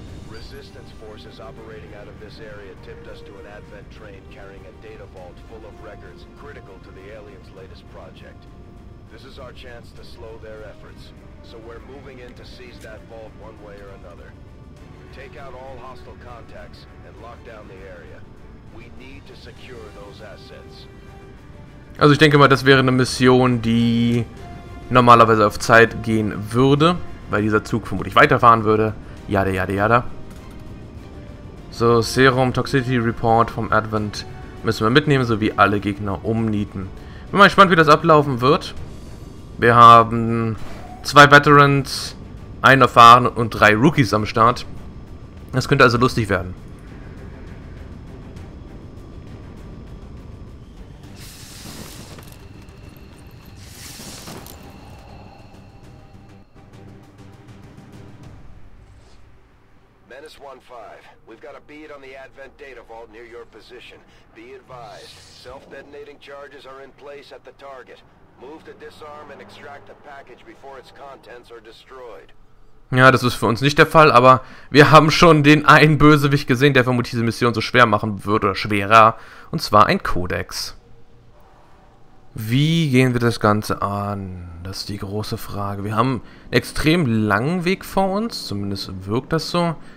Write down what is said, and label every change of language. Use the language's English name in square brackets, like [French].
[English] Resistance forces operating out of this area tipped us to an advent train carrying a data vault full of records critical to the aliens' latest project. This is our chance to slow their efforts, so we're moving in to seize that vault one way or another. Take out all hostile contacts and lock down the area. We need to secure those assets. [German] Also ich denke mal, das wäre eine Mission, die normalerweise auf Zeit gehen würde, weil dieser Zug vermutlich weiterfahren würde. Yada yada yada. So, Serum Toxicity Report vom Advent müssen wir mitnehmen, sowie alle Gegner umnieten. Bin mal gespannt, wie das ablaufen wird. Wir haben zwei Veterans, einen erfahrenen und drei Rookies am Start. Das könnte also lustig werden. [English] Menace 1-5, we've got a bead on the Advent Data Vault near your position. Be advised, self-detonating charges are in place at the target. Move to disarm and extract the package before its contents are destroyed. [German] Ja, das ist für uns nicht der Fall, aber wir haben schon den einen Bösewicht gesehen, der vermutlich diese Mission so schwer machen wird oder schwerer, und zwar ein Codex. Wie gehen wir das Ganze an? Das ist die große Frage. Wir haben einen extrem langen Weg vor uns, zumindest wirkt das so.